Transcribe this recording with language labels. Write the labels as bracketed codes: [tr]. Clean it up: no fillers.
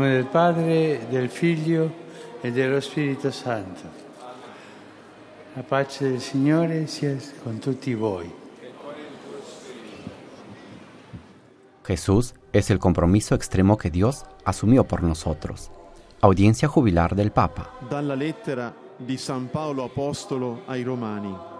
[it] Padre, del Figlio e dello Spirito Santo. La pace del Signore sia con tutti voi. [es] Jesús es el compromiso extremo que Dios asumió por nosotros. Audiencia jubilar del Papa. [it] Dalla lettera di San Paolo Apostolo ai Romani.